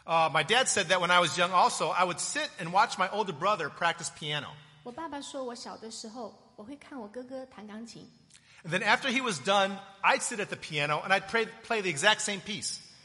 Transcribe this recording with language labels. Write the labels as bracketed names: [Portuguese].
[English] My dad said that when I was young also, I would sit and watch my older brother practice piano. [Chinese] 我爸爸说我小的时候我会看我哥哥弹钢琴。 [English] And then after he was done, I'd sit at the piano and I'd play the exact same piece.